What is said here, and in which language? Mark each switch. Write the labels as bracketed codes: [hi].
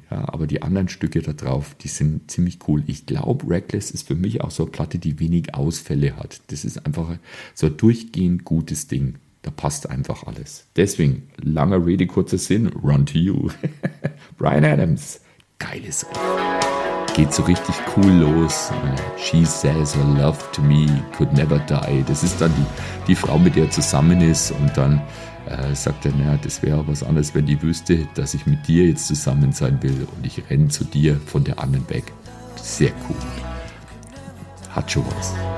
[de] Ja, aber die anderen Stücke da drauf, die sind ziemlich cool. Ich glaube, Reckless ist für mich auch so eine Platte, die wenig Ausfälle hat. Das ist einfach so ein durchgehend gutes Ding. Da passt einfach alles. Deswegen, langer Rede, kurzer Sinn, Run to You. Bryan Adams, geiles Riff. Geht so richtig cool los. [en] She says her love to me could never die. [de] Das ist dann die Frau, mit der er zusammen ist. Und dann sagt er, naja, das wäre was anderes, wenn die wüsste, dass ich mit dir jetzt zusammen sein will. Und ich renne zu dir von der anderen weg. Sehr cool. Hat schon was.